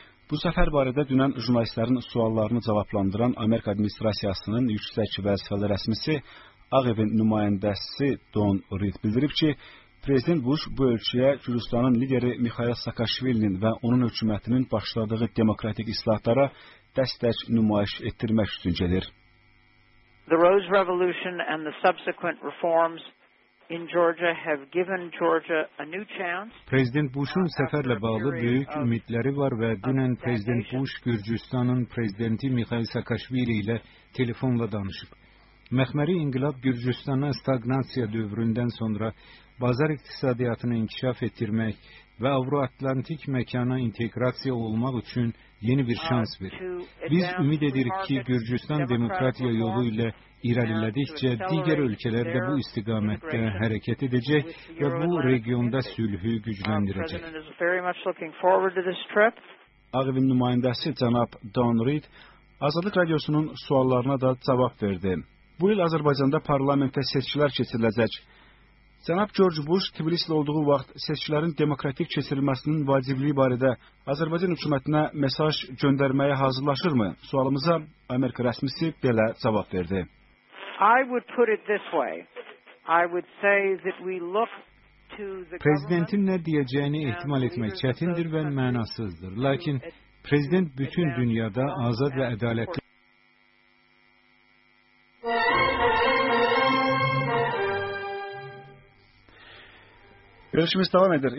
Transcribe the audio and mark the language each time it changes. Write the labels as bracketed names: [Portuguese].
[Azerbaijani] Bu səfər barədə dünən jurnalistlərin suallarını cavablandıran Amerika Administrasiyasının yüksək vəzifəli rəsmisi Ağ Evin nümayəndəsi Don Reed bildirib ki, Prezident Bush bu ölkəyə Gürcüstanın lideri Mikhail Saakashvilinin və onun hökumətinin başladığı demokratik islahatlara dəstək nümayiş etdirmək üçün gəlir. [English] The Rose Revolution and the subsequent reforms in Georgia have given Georgia a new chance. [Azerbaijani] Prezident Bush'un səfərlə bağlı böyük ümidləri var və dünən Prezident Bush Gürcüstanın prezidenti Mikhail Saakashvili ilə telefonla danışıb. Məxməri inqilab Gürcüstana stagnasiya dövründən sonra bazar iqtisadiyyatını inkişaf etdirmək və Avroatlantik məkana inteqrasiya olmaq üçün yeni bir şans verir. Biz ümid edirik ki, Gürcüstan demokratiya yolu ilə irəlilədikcə, digər ölkələr də bu istiqamətdə hərəkət edəcək və bu regionda sülhü gücləndirəcək. Ağ Evin nümayəndəsi cənab Don Reed Azadlıq Radiosunun suallarına da cavab verdi. Bu il Azərbaycanda parlamentə seçkilər keçiriləcək. Cənab George Bush Tbilisi-də olduğu vaxt seçkilərin demokratik keçirilməsinin vacibliyi barədə Azərbaycan hökumətinə mesaj göndərməyə hazırlaşırmı? Sualımıza Amerika rəsmisi belə cavab verdi. [English] I would put it this way. I would say that we look to the [Azerbaijani] Prezidentin nə deyəcəyini ehtimal etmək çətindir və mənasızdır. Lakin prezident bütün dünyada azad və ədalətli Görüşümüz davam edir.